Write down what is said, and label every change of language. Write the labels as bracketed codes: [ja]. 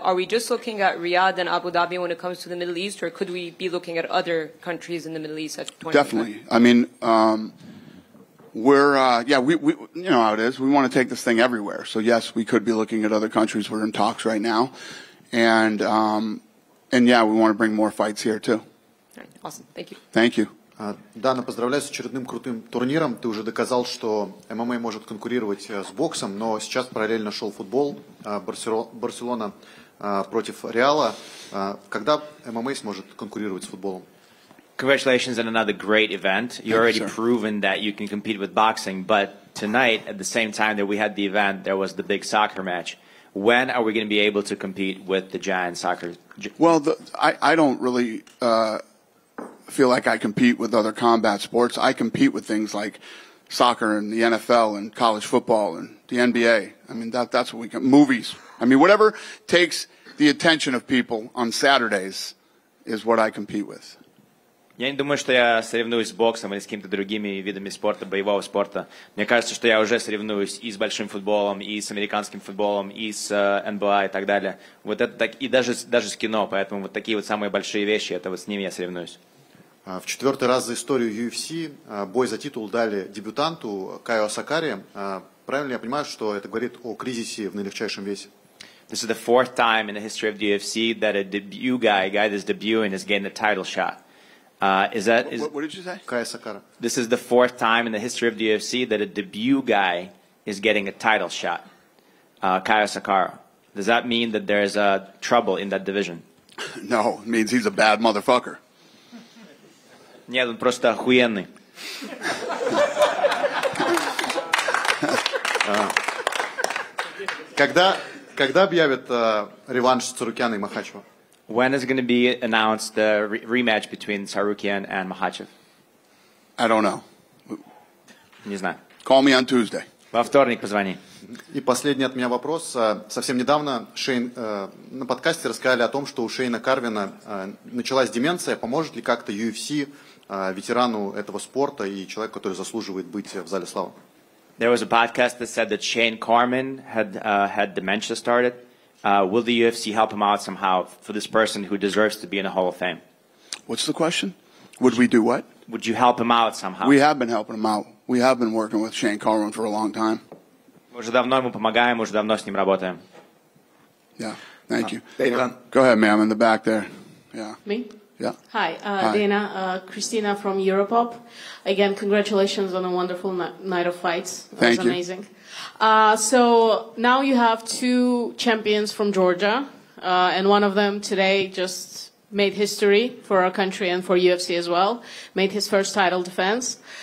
[en] Are we just looking at Riyadh and Abu Dhabi when it comes to the Middle East, or could we be looking at other countries in the Middle East at 2025? Definitely. I mean, we you know how it is. We want to take this thing everywhere. So, yes, we could be looking at other countries. We're in talks right now. And we want to bring more fights here, too. Awesome. Thank you. [ru] Дана, поздравляю с очередным крутым турниром. Ты уже доказал, что ММА может конкурировать с боксом, но сейчас параллельно шел футбол Барселона против Реала. Когда ММА сможет конкурировать с футболом? [en] Congratulations on another great event. You've already proven that you can compete with boxing, but tonight, at the same time that we had the event, there was the big soccer match. When are we going to be able to compete with the giant soccer? Well, I don't really... feel like I compete with other combat sports. I compete with things like soccer and the NFL and college football and the NBA. I mean, that's what we can, movies. I mean, whatever takes the attention of people on Saturdays is what I compete with. [ru] Я не думаю, что я соревнуюсь с боксом или с какими-то другими видами спорта, боевого спорта. Мне кажется, что я уже соревнуюсь и с большим футболом, и с американским футболом, и с NBA и так далее. Вот это так, и даже с кино, поэтому вот такие вот самые большие вещи, это вот с ними я соревнуюсь. В четвертый раз за историю UFC бой за титул дали дебютанту Кайо Сакари. Правильно я понимаю, что это говорит о кризисе в наилегчайшем весе? [en] This is the fourth time in the history of the UFC that a debut guy that's debuting is getting a title shot. What did you say? [ru] Кайо Сакари. [en] This is the fourth time in the history of the UFC that a debut guy is getting a title shot. [ru] Кайо Сакари. [en] Does that mean that there's a trouble in that division? No, it means he's a bad motherfucker. [ru] Нет, он просто охуенный. Когда объявят реванш Царукяна и Махачева? [en] When is going to be announced the rematch between Tsarukyan and Makhachev? I don't know. [ru] Не знаю. [en] Call me on Tuesday. [ru] Во вторник позвони. И последний от меня вопрос. Совсем недавно Шейн на подкасте рассказали о том, что у Шейна Карвина началась деменция. Поможет ли как-то UFC ветерану этого спорта и человеку, который заслуживает быть в зале славы? [en] There was a podcast that said that Shane Carman had dementia started. Will the UFC help him out somehow for this person who deserves to be in the Hall of Fame? What's the question? Would we do what? Would you help him out somehow? We have been helping him out. We have been working with Shane Carman for a long time. [ru] Мы уже давно ему помогаем, уже давно с ним работаем. [en] Yeah, thank you. Go ahead, ma'am, in the back there. Yeah. Me? Yeah. Hi. Dana, Christina from Europop. Again, congratulations on a wonderful night of fights. Thank you. Amazing. So now you have two champions from Georgia, and one of them today just made history for our country and for UFC as well, made his first title defense.